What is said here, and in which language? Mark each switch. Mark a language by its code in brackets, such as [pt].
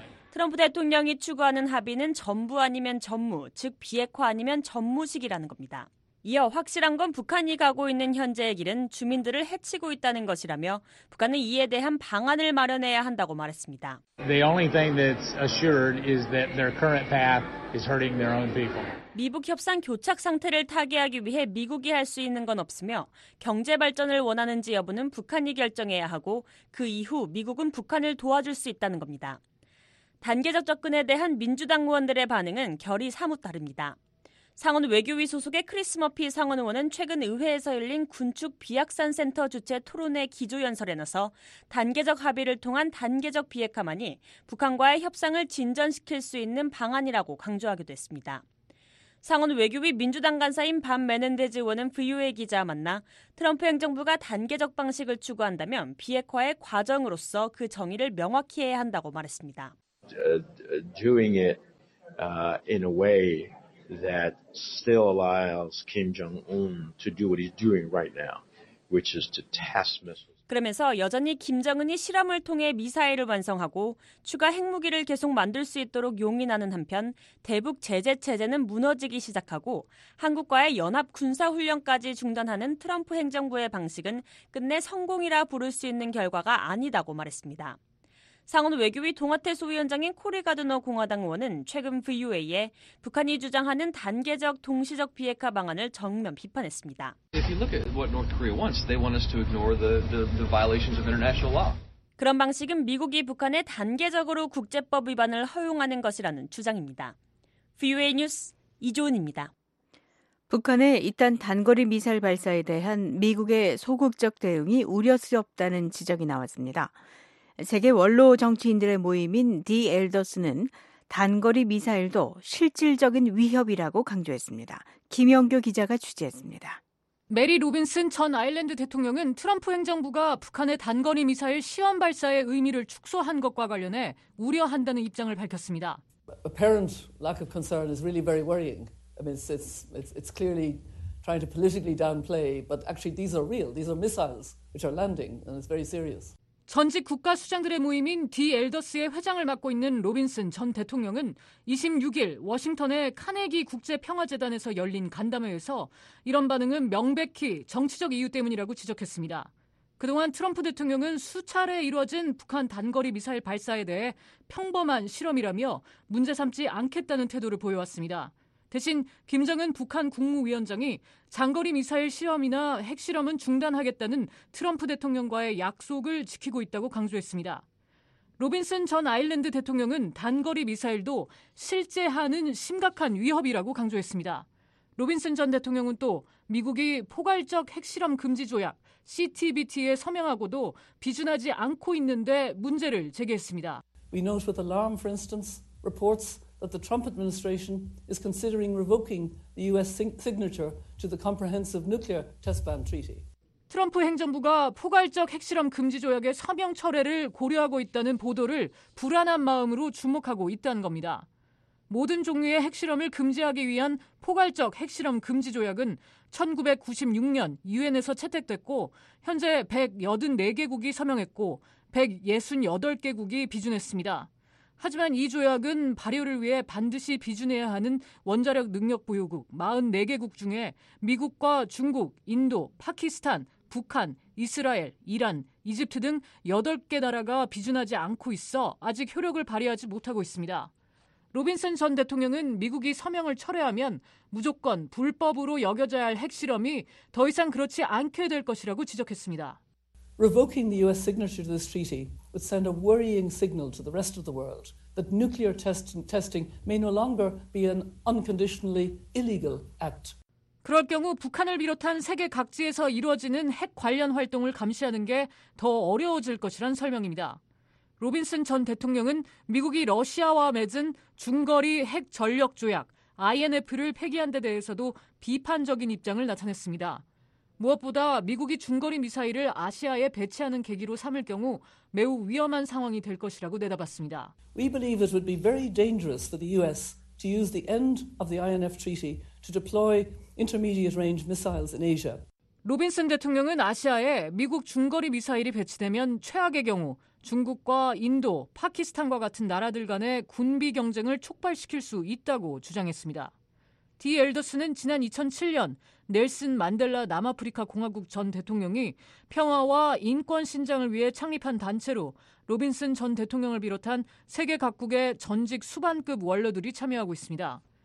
[ko] 트럼프 대통령이 추구하는 합의는 전부 아니면 전무, 즉 비핵화 아니면 전무식이라는 겁니다. 이어 확실한 건 북한이 가고 있는 현재의 길은 주민들을 해치고 있다는 것이라며 북한은 이에 대한 방안을 마련해야 한다고 말했습니다. [en] The only thing that's assured is that their current path is hurting their own people. [ko] 미북 협상 교착 상태를 타개하기 위해 미국이 할 수 있는 건 없으며 경제 발전을 원하는지 여부는 북한이 결정해야 하고 그 이후 미국은 북한을 도와줄 수 있다는 겁니다. 단계적 접근에 대한 민주당 의원들의 반응은 결이 사뭇 다릅니다. 상원 외교위 소속의 크리스 머피 상원 의원은 최근 의회에서 열린 군축 비확산 센터 주최 토론회 기조연설에 나서 단계적 합의를 통한 단계적 비핵화만이 북한과의 협상을 진전시킬 수 있는 방안이라고 강조하기도 했습니다. 상원 외교위 민주당 간사인 밤 메넨데즈 의원은 VOA 기자와 만나 트럼프 행정부가 단계적 방식을 추구한다면 비핵화의 과정으로서 그 정의를 명확히 해야 한다고 말했습니다. [en] Doing it in a way that still allows Kim Jong-un to do what he's doing right now, which is to test missiles. [ko] 그러면서 여전히 김정은이 실험을 통해 미사일을 완성하고 추가 핵무기를 계속 만들 수 있도록 용인하는 한편 대북 제재 체제는 무너지기 시작하고 한국과의 연합 군사훈련까지 중단하는 트럼프 행정부의 방식은 끝내 성공이라 부를 수 있는 결과가 아니다고 말했습니다. 상원 외교위 동아태 소위원장인 코리 가드너 공화당 의원은 최근 VOA에 북한이 주장하는 단계적 동시적 비핵화 방안을 정면 비판했습니다. [en] If you look at what North Korea wants, they want us to ignore the violations of international law. [ko] 그런 방식은 미국이 북한에 단계적으로 국제법 위반을 허용하는 것이라는 주장입니다. VOA 뉴스 이조은입니다. 북한의 잇단 단거리 미사일 발사에 대한 미국의 소극적 대응이 우려스럽다는 지적이 나왔습니다. 세계 원로 정치인들의 모임인 디 엘더스는 단거리 미사일도 실질적인 위협이라고 강조했습니다. 김영교 기자가 취재했습니다. 메리 로빈슨 전 아일랜드 대통령은 트럼프 행정부가 북한의 단거리 미사일 시험 발사의 의미를 축소한 것과 관련해 우려한다는 입장을 밝혔습니다. [en] Apparent lack of concern is really very worrying. I mean, it's clearly trying to politically downplay, but actually these are real. These are missiles which are landing, and it's very serious. [ko] 전직 국가 수장들의 모임인 디 엘더스의 회장을 맡고 있는 로빈슨 전 대통령은 26일 워싱턴의 카네기 국제평화재단에서 열린 간담회에서 이런 반응은 명백히 정치적 이유 때문이라고 지적했습니다. 그동안 트럼프 대통령은 수차례 이뤄진 북한 단거리 미사일 발사에 대해 평범한 실험이라며 문제 삼지 않겠다는 태도를 보여왔습니다. 대신 김정은 북한 국무위원장이 장거리 미사일 실험이나 핵실험은 중단하겠다는 트럼프 대통령과의 약속을 지키고 있다고 강조했습니다. 로빈슨 전 아일랜드 대통령은 단거리 미사일도 실제하는 심각한 위협이라고 강조했습니다. 로빈슨 전 대통령은 또 미국이 포괄적 핵실험 금지 조약 CTBT에 서명하고도 비준하지 않고 있는데 문제를 제기했습니다. [en] We note with alarm, for instance, reports that the Trump administration is considering revoking the U.S. signature to the Comprehensive Nuclear Test Ban Treaty. [ko] 트럼프 행정부가 포괄적 핵실험 금지 조약의 서명 철회를 고려하고 있다는 보도를 불안한 마음으로 주목하고 있다는 겁니다. 모든 종류의 핵실험을 금지하기 위한 포괄적 핵실험 금지 조약은 1996년 UN에서 채택됐고 현재 184개국이 서명했고 168개국이 비준했습니다. 하지만 이 조약은 발효를 위해 반드시 비준해야 하는 원자력 능력 보유국 44개국 중에 미국과 중국, 인도, 파키스탄, 북한, 이스라엘, 이란, 이집트 등 8개 나라가 비준하지 않고 있어 아직 효력을 발휘하지 못하고 있습니다. 로빈슨 전 대통령은 미국이 서명을 철회하면 무조건 불법으로 여겨져야 할 핵실험이 더 이상 그렇지 않게 될 것이라고 지적했습니다. [en] Revoking the U.S. signature to this treaty would send a worrying signal to the rest of the world that nuclear testing may no longer be an unconditionally illegal act. [ko] 그럴 경우 북한을 비롯한 세계 각지에서 이루어지는 핵 관련 활동을 감시하는 게 더 어려워질 것이란 설명입니다. 로빈슨 전 대통령은 미국이 러시아와 맺은 중거리 핵 전력 조약 INF를 폐기한 데 대해서도 비판적인 입장을 나타냈습니다. 무엇보다 미국이 중거리 미사일을 아시아에 배치하는 계기로 삼을 경우 매우 위험한 상황이 될 것이라고 내다봤습니다. [en] We believe it would be very dangerous for the US to use the end of the INF treaty to deploy intermediate range missiles in Asia. [ko] 로빈슨 대통령은 아시아에 미국 중거리 미사일이 배치되면 최악의 경우 중국과 인도, 파키스탄과 같은 나라들 간의 군비 경쟁을 촉발시킬 수 있다고 주장했습니다. 디 엘더스는 지난 2007년 넬슨 만델라 남아프리카 공화국 전 대통령이 평화와 인권 신장을 위해 창립한 단체로 로빈슨 전 대통령을 비롯한 세계 각국의 전직 수반급 원로들이 참여하고 있습니다.